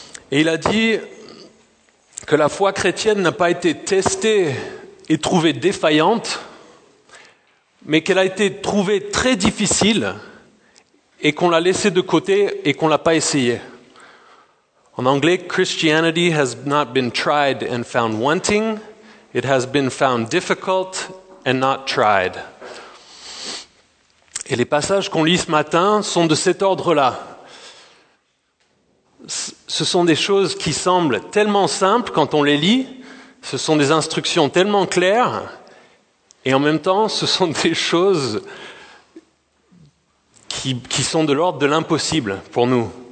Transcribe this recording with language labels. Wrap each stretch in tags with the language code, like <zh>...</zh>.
<fr>Et il a dit que la foi chrétienne n'a pas été testée et trouvée défaillante, mais qu'elle a été trouvée très difficile et qu'on l'a laissée de côté et qu'on ne l'a pas essayée. En anglais,</fr> <en>Christianity has not been tried and found wanting. It has been found difficult and not tried.</en> <fr>Et les passages qu'on lit ce matin sont de cet ordre-là. Ce sont des choses qui semblent tellement simples quand on les lit, ce sont des instructions tellement claires, et en même temps, ce sont des choses qui sont de l'ordre de l'impossible pour nous.</fr>